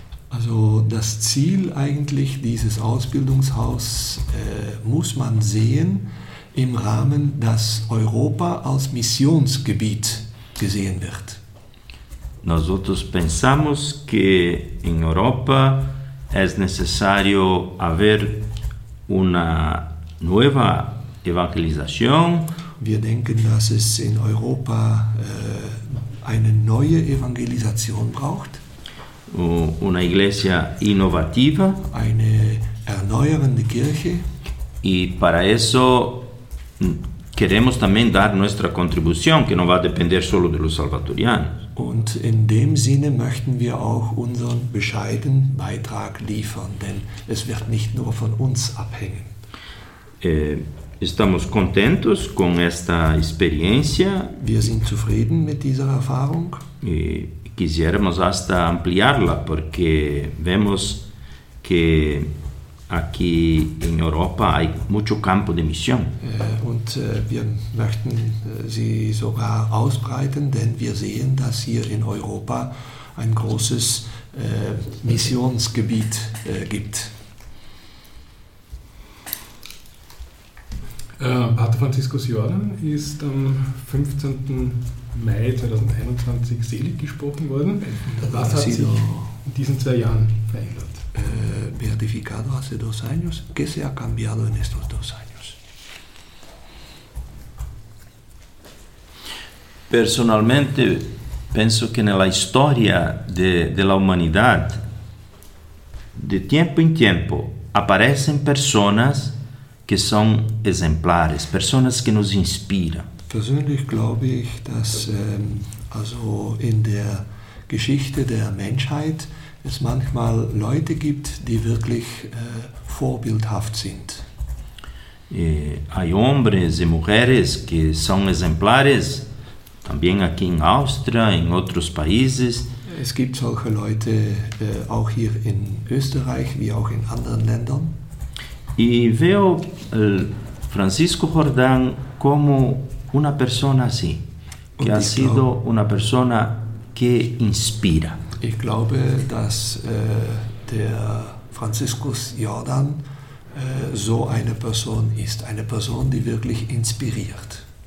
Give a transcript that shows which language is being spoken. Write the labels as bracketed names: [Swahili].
[German] Also das Ziel eigentlich dieses Ausbildungshaus muss man sehen im Rahmen, dass Europa als Missionsgebiet gesehen wird. [Spanish] Nosotros pensamos que en Europa es necesario haber una nueva evangelización. [German] Wir denken, dass es in Europa eine neue Evangelisation braucht. [Spanish] Una iglesia innovativa. [German] Eine erneuernde Kirche. [Spanish] Y para eso queremos también dar nuestra contribución, que no va a depender solo de los salvadorianos. [German] Und in dem Sinne möchten wir auch unseren bescheidenen Beitrag liefern, denn es wird nicht nur von uns abhängen. [Spanish] Estamos contentos con esta experiencia. [German] Wir sind zufrieden mit dieser Erfahrung. [Spanish] Quisiéramos hasta ampliarla, porque vemos que aquí en Europa hay mucho campo de misión. [German] Und wir möchten sie sogar ausbreiten, denn wir sehen, dass hier in Europa ein großes Missionsgebiet gibt. Pater Franziskus Jordan ist am 15. Mai 2021 selig gesprochen worden. Was hat sich in diesen zwei Jahren verändert? [Spanish] Beatificado hace dos años. ¿Qué se ha cambiado en estos dos años? Personalmente, pienso que en la historia de la humanidad, de tiempo en tiempo, aparecen personas que son ejemplares, personas que nos inspiran. [German] Persönlich glaube ich, dass also in der Geschichte der Menschheit es manchmal Leute gibt, die wirklich vorbildhaft sind. [Spanish] Hay hombres y mujeres que son ejemplares, también aquí en Austria, en otros países. [German] Es gibt solche Leute auch hier in Österreich, wie auch in anderen Ländern. [Spanish] Y veo el Francisco Jordán como una persona así, que ha sido una persona que inspira. [German] Ich glaube, dass der Franziskus Jordan so eine Person ist, eine Person, die wirklich inspiriert.